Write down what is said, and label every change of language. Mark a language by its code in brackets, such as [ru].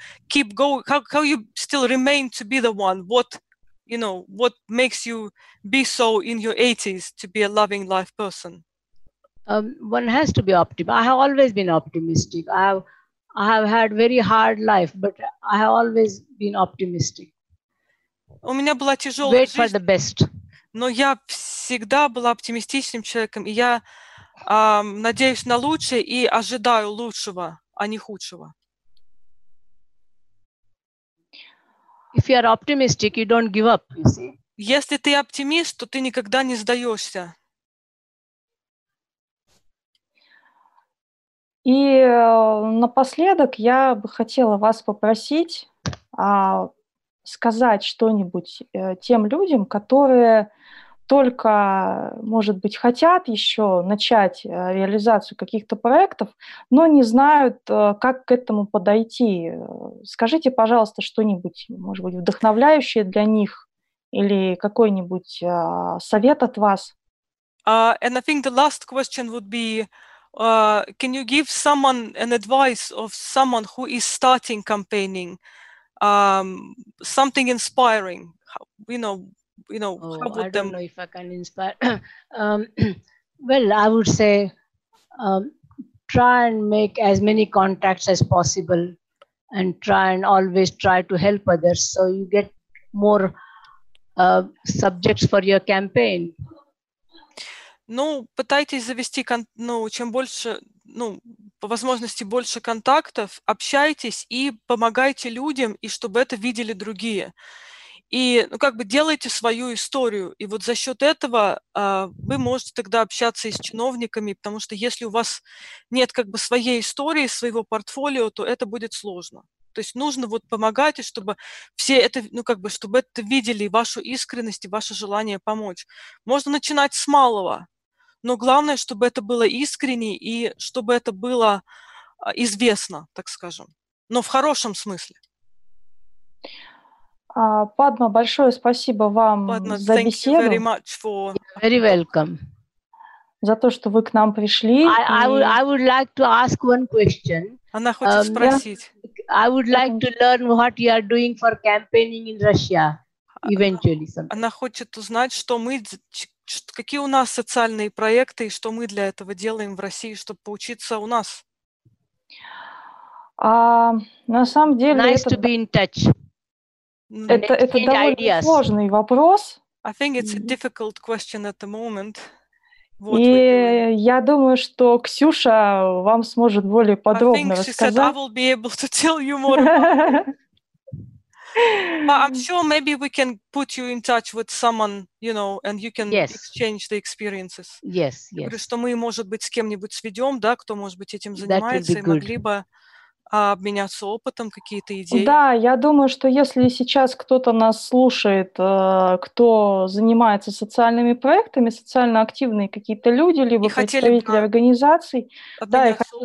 [en] How you still remain to be the one? What makes you be so in your 80s to be a loving life person? One has to be optimistic. I have always been optimistic. I have had very hard life, but I have always been optimistic. [ru] У меня была тяжелая [en] Wait [ru] жизнь, [en] for the best. [ru] Но я всегда была оптимистичным человеком, и я надеюсь на лучшее и ожидаю лучшего, а не худшего. [en] If you are optimistic, you don't give up, you see. [ru] Если ты оптимист, то ты никогда не сдаешься. И напоследок я бы хотела вас попросить сказать что-нибудь тем людям, которые только, может быть, хотят еще начать реализацию каких-то проектов, но не знают, как к этому подойти. Скажите, пожалуйста, что-нибудь, может быть, вдохновляющее для них или какой-нибудь совет от вас. [en] And I think the last question would be, can you give someone an advice of someone who is starting campaigning? Something inspiring. Know if I can inspire. well, I would say try and make as many contacts as possible and try and always try to help others so you get more subjects for your campaign. [ru] Ну, пытайтесь завести, ну, чем больше, ну, по возможности больше контактов, общайтесь и помогайте людям, и чтобы это видели другие. И, ну, как бы делайте свою историю, и вот за счет этого вы можете тогда общаться и с чиновниками, потому что если у вас нет как бы своей истории, своего портфолио, то это будет сложно. То есть нужно вот помогать, и чтобы все это, ну, как бы, чтобы это видели, вашу искренность и ваше желание помочь. Можно начинать с малого, но главное, чтобы это было искренне и чтобы это было известно, так скажем, но в хорошем смысле. Падма, большое спасибо вам за беседу. [en] Thank you very much for... You're very welcome. [ru] За то, что вы к нам пришли. [en] I would like to ask one question. [ru] Она хочет спросить. [en] I would like to learn what you are doing for campaigning in Russia eventually. [ru] Она хочет узнать, что мы, какие у нас социальные проекты и что мы для этого делаем в России, чтобы поучиться у нас. На самом деле. [en] Nice to be in touch. [ru] Это довольно [en] ideas. [ru] Сложный вопрос. [en] I think it's a difficult question at the moment. [ru] И я думаю, что Ксюша вам сможет более подробно рассказать. [en] I think she said I will be able to tell you more about it. But I'm sure maybe we can put you in touch with someone, you know, and you can exchange the experiences. Yes, yes. [ru] Я говорю, что мы, может быть, с кем-нибудь сведем, да, кто, может быть, этим занимается, и могли бы обменяться опытом, какие-то идеи. Да, я думаю, что если сейчас кто-то нас слушает, кто занимается социальными проектами, социально активные какие-то люди, либо представители организаций, да, и хотели